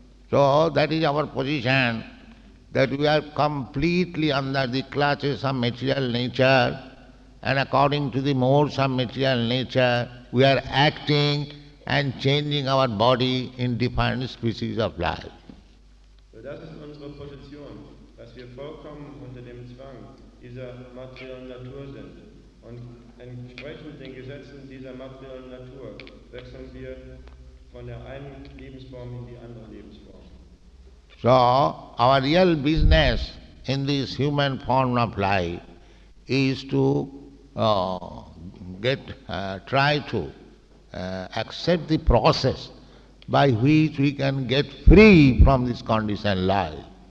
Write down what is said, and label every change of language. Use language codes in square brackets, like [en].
[en] So that is our position, that we are completely under the clutches of material nature, and according to the modes of material nature, we are acting and changing our body in different species of life. So that is our position, that we are completely under the [de] Zwang dieser materiellen Natur sind. Und entsprechend den Gesetzen dieser materiellen Natur wechseln wir von der einen Lebensform in die andere Lebensform. [en] So, our real business in this human form of life is to accept the process by which we can get free from this conditioned life.